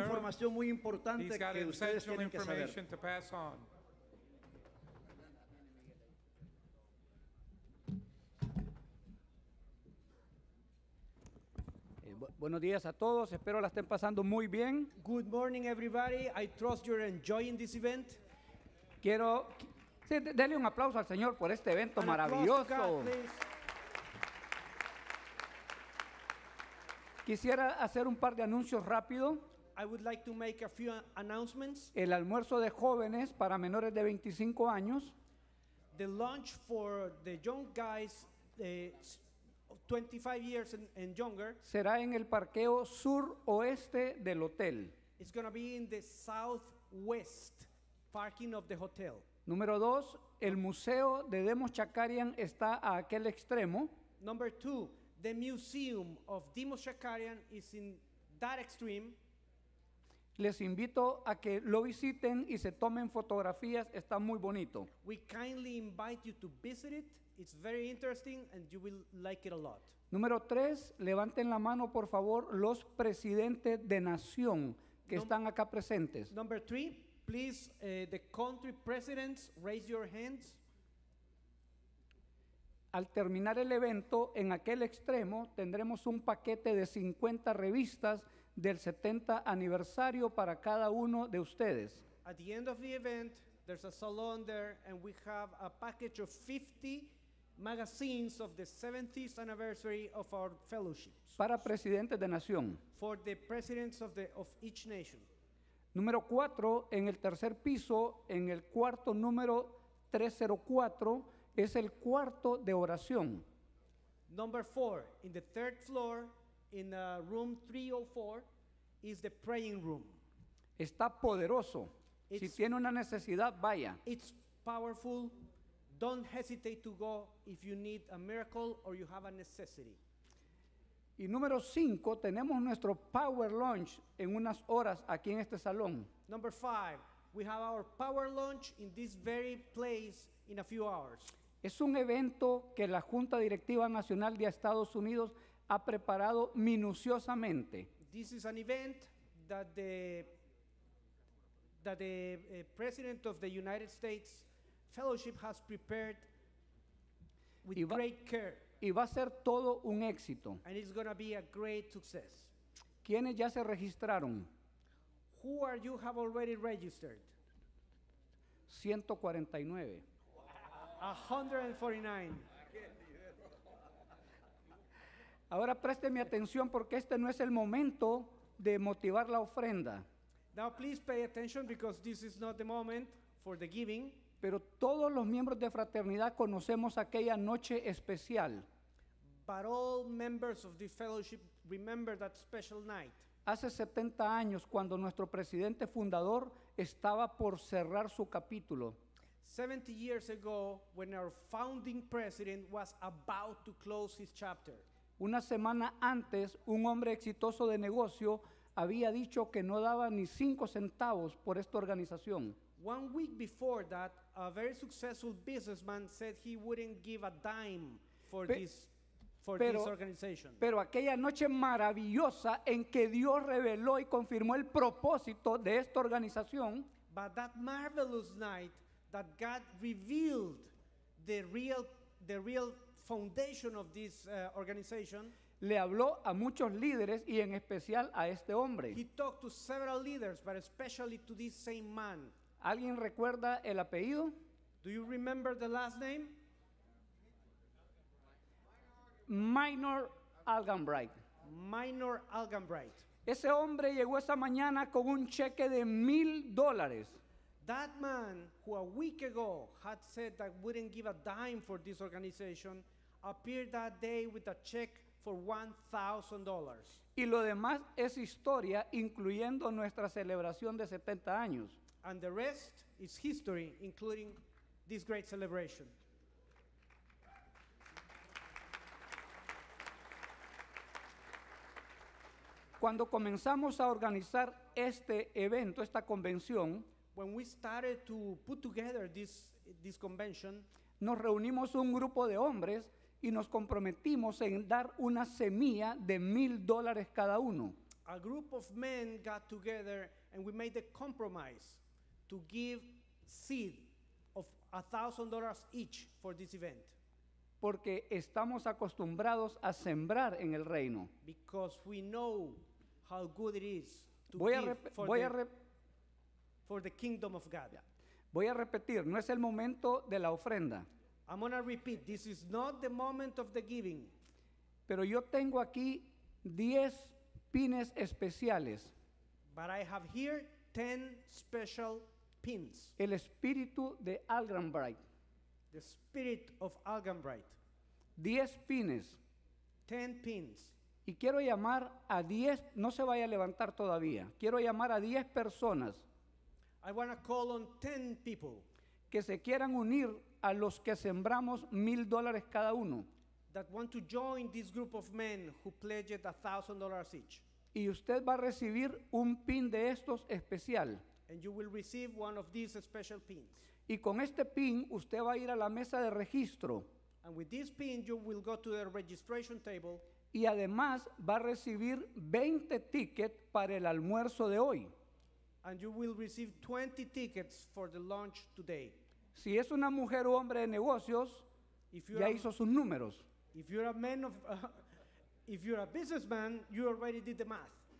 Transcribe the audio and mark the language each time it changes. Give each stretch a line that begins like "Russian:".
Spanish: una información muy importante que ustedes tienen que saber.
English: To pass on.
Spanish: Buenos días a todos, espero la estén pasando muy bien.
English: Good morning everybody, I trust you're enjoying this event.
Spanish: Quiero, sí, denle un aplauso al Señor por este evento
English: and
Spanish: maravilloso. Quisiera hacer un par de anuncios rápido.
English: I would like to make a few announcements.
Spanish: El almuerzo de jóvenes para menores de 25 años.
English: The lunch for the young guys 25 years and younger.
Spanish: Será en el parqueo sur oeste del hotel.
English: It's going to be in the southwest parking of the hotel.
Spanish: Número dos, el museo de Demos Chakarian está a aquel extremo.
English: Number two. The Museum of Demos Chakarian is in that extreme.
Spanish: Les invito a que lo visiten y se tomen fotografías. Está muy bonito.
English: We kindly invite you to visit it. It's very interesting and you will like it a lot.
Spanish: Número tres, levanten la mano, por favor, los presidentes de nación que están acá presentes.
English: Number three, please, the country presidents, raise your hands.
Spanish: Al terminar el evento, en aquel extremo, tendremos un paquete de 50 revistas del 70 aniversario para cada uno de ustedes.
English: At the end of the event, there's a salon there, and we have a package of 50 magazines of the 70th anniversary of our fellowship.
Spanish: Para presidentes de nación.
English: For the presidents of each nation.
Spanish: Número 4, en el tercer piso, en el cuarto número 304, es el cuarto de oración.
English: Number four, in the third floor, in room 304, is the praying room.
Spanish: Está poderoso. Si tiene una necesidad, vaya.
English: It's powerful. Don't hesitate to go if you need a miracle or you have a necessity.
Spanish: Y número cinco, tenemos nuestro power lunch en unas horas aquí en este salón.
English: Number five, We have our power launch in this very place in a few hours.
Spanish: Es un evento que la Junta Directiva Nacional de Estados Unidos ha preparado minuciosamente.
English: This is an event that the President of the United States Fellowship has prepared with great care.
Spanish: Y va a ser todo un éxito.
English: And it's going to be a great success.
Spanish: ¿Quiénes ya se registraron?
English: Who are you have already registered?
Spanish: 149.
English: 149.
Spanish: Ahora preste mi atención porque este no es el momento de motivar la ofrenda.
English: Now please pay attention because this is not the moment for the giving.
Spanish: Pero todos los miembros de fraternidad conocemos aquella noche especial.
English: But all members of the fellowship remember that special night.
Spanish: Hace 70 años cuando nuestro presidente fundador estaba por cerrar su capítulo.
English: 70 years ago, when our founding president was about to close his chapter.
Spanish: Una semana antes, un hombre exitoso de negocio había dicho que no daba ni 5 centavos por esta organización.
English: One week before that, a very successful businessman said he wouldn't give a dime for this organization.
Spanish: Pero aquella noche maravillosa en que Dios reveló y confirmó el propósito de esta organización.
English: But that marvelous night that God revealed the real foundation of this organization.
Spanish: Le habló a muchos líderes y en especial a este hombre.
English: He talked to several leaders, but especially to this same man.
Spanish: ¿Alguien recuerda el apellido?
English: Do you remember the last name? Minor Algenbright.
Spanish: Ese hombre llegó esa mañana con un cheque de $1,000.
English: That man, who a week ago had said that wouldn't give a dime for this organization, appeared that day with a check for $1,000.
Spanish: Y lo demás es historia, incluyendo nuestra celebración de 70 años.
English: And the rest is history, including this great celebration.
Spanish: Cuando comenzamos a organizar este evento, esta convención,
English: when we started to put together this convention,
Spanish: nos reunimos un grupo de hombres y nos comprometimos en dar una semilla de $1,000 cada uno.
English: A group of men got together and we made the compromise to give seed of $1,000 each for this event.
Spanish: Porque estamos acostumbrados a sembrar en el reino.
English: Because we know how good it is to give for the kingdom of God. Yeah.
Spanish: Voy a repetir, no es el momento de la ofrenda.
English: I'm going to repeat, this is not the moment of the giving.
Spanish: Pero yo tengo aquí 10 pines especiales.
English: But I have here 10 special pins.
Spanish: El espíritu de Algenbright.
English: The spirit of Algenbright.
Spanish: 10 pines.
English: 10 pins.
Spanish: Y quiero llamar a 10, no se vaya a levantar todavía. Quiero llamar a 10 personas.
English: I want to call on 10 people.
Spanish: Que se quieran unir a los que sembramos $1,000 cada uno.
English: That want to join this group of men who pledged $1,000 each.
Spanish: Y usted va a recibir un pin de estos especial.
English: And you will receive one of these special pins.
Spanish: Y con este pin usted va a ir a la mesa de registro.
English: And with this pin you will go to the registration table.
Spanish: Y además va a recibir 20 tickets para el almuerzo de hoy.
English: And you will receive 20 tickets for the lunch today.
Spanish: Si es una mujer o hombre de negocios, ya hizo sus números.
English: If you're a man of, if you're a businessman, you already did the math.